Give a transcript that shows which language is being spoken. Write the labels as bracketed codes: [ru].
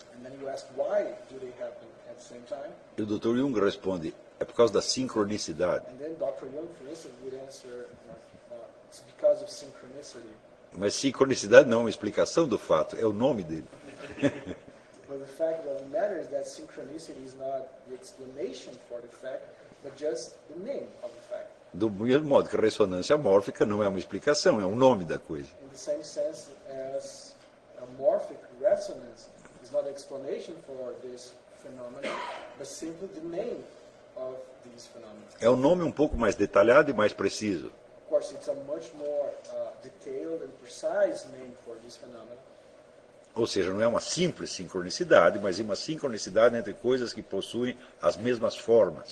[en] And then you ask why do they happen at the same time? [pt] E o Dr. Jung responde, é por causa da sincronicidade. [en] And then Dr. Jung, for instance, would answer, it's because of synchronicity. [pt] Mas sincronicidade não é uma explicação do fato, é o nome dele. [en] But the fact that matters that synchronicity is not the explanation for the fact, but just the name of the fact. [pt] Do mesmo modo que a ressonância mórfica não é uma explicação, é um nome da coisa. [en] In the same sense as a morphic resonance is not an explanation for this phenomenon, but simply the name of this phenomenon. [pt] É um nome um pouco mais detalhado e mais preciso. [en] Of course, it's a much more detailed and precise name for this phenomenon. [pt] Ou seja, não é uma simples sincronicidade, mas uma sincronicidade entre coisas que possuem as mesmas formas.